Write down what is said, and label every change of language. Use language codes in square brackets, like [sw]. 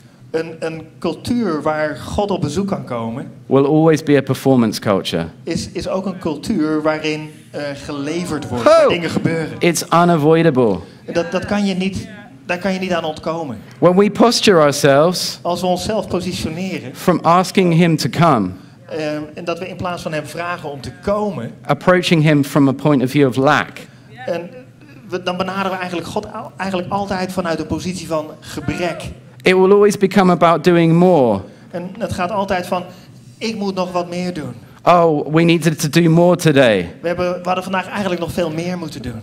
[nl] Een cultuur waar God op bezoek kan komen. [en] Will always be a performance culture. [nl] Is ook een cultuur waarin geleverd wordt, waar dingen gebeuren. [en] It's unavoidable. [nl] Dat kan je niet. Daar kan je niet aan ontkomen. [en] When we posture ourselves, [nl] als we onszelf positioneren, [en] from asking him to come, [nl] en dat we in plaats van hem vragen om te komen, [en] approaching him from a point of view of lack, [nl] en dan benaderen we eigenlijk God eigenlijk altijd vanuit een positie van gebrek. [en] It will always become about doing more. [nl] En het gaat altijd van ik moet nog wat meer doen. [en] Oh, we needed to do more today. [nl] We hadden vandaag eigenlijk nog veel meer moeten doen.